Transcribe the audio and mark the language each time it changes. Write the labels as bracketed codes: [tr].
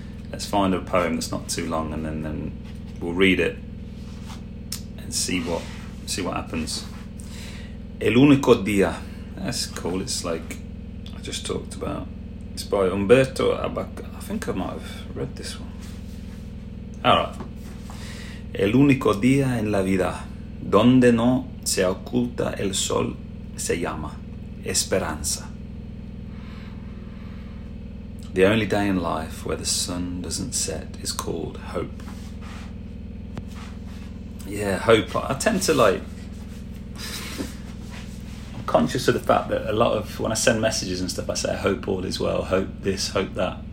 [en] Let's find a poem that's not too long, and then we'll read it and see what happens. El Único Día. That's cool. It's like I just talked about. It's by Humberto Abaca. I think I might have read this one. All right. [es] El Único Día en la Vida, donde no se oculta el sol, se llama Esperanza. [en] The only day in life where the sun doesn't set is called hope. Yeah, hope. I tend to like, I'm conscious of the fact that a lot of, when I send messages and stuff, I say hope all is well, hope this, hope that.